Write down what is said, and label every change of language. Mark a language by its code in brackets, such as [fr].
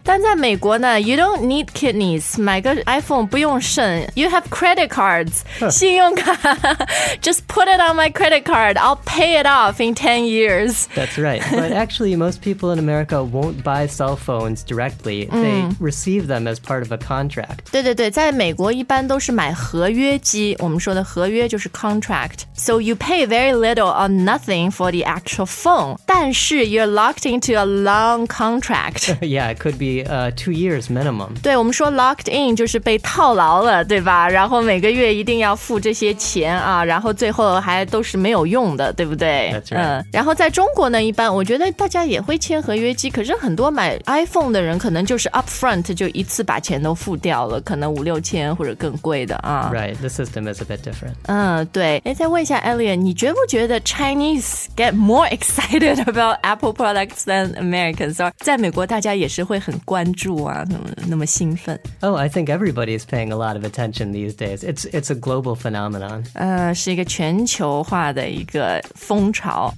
[zh] 但在美国呢 [en] you don't need kidneys [zh] 买个 iPhone 不用肾 [en] You have credit cards,、huh. 信用卡 Just put it on my credit card. I'll pay it off in 10 years. That's right. But actually, most people in America won't buy cell phones directly. They receive them as part of a contract. [zh] 对对对，在美国一般都是买合约机。我们说的合约就是 contract. [en] So you pay very little or nothing for the actual phone. 但是 you're locked into a long contract. yeah, it could be 2 years minimum. [zh] 对，我们说 locked in 就是被套牢。对吧然后每个月一定要付这些钱啊然后最后还都是没有用的对不对、 [en] right. [zh] 然后在中国呢一般我觉得大家也会签合约机可是很多买 iPhone 的人可能就是 upfront 就一次把钱都付掉了可能五六千或者更贵的啊 [en] Right, the system is a bit different [zh] 对再问一下 Elliot 你觉不觉得 [en] Chinese get more excited about Apple products than Americans or [zh] 在美国大家也是会很关注啊那么兴奋 [en] Oh, I think everybody is paying a lot of attention these days. It's a global phenomenon. [zh] 是一个全球化的一个风潮。